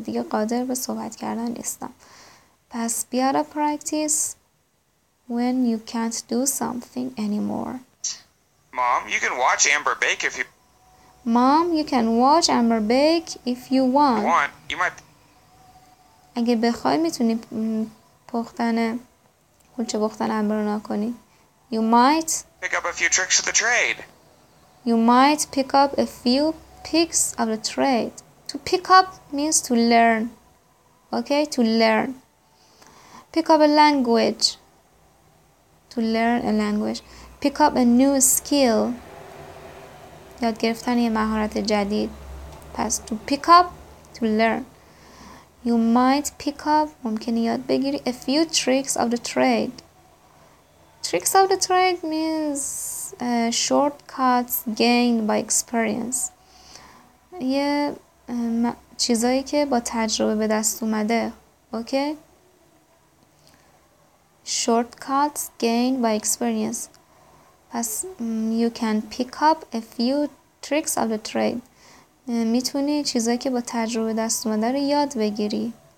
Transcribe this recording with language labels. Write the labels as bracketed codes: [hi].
[fa] دیگه قادر به صحبت کردن نیستم. [en] پس be out of practice when you can't do something anymore. Mom, you can watch Amber bake if you... Mom, you can watch Amber bake if you want. You might. [fa] اگه بخوای میتونی پختن کلچه پختن امبر رو نکنی. [en] You might pick up a few tricks of the trade. You might pick up a few tricks of the trade. To pick up means to learn. Okay, to learn. Pick up a language. To learn a language. Pick up a new skill. [fa] یاد گرفتن یه مهارت جدید. [en] پس to pick up, to learn. You might pick up, [fa] ممکنه یاد بگیری, [en] a few tricks of the trade. Tricks of the trade means shortcuts gained by experience. [fa] یه چیزایی که با تجربه به دست اومده. [en] Okay? Shortcuts gained by experience. پس you can pick up a few tricks of the trade. [fa] میتونی چیزایی که با تجربه دست اومده رو یاد بگیری.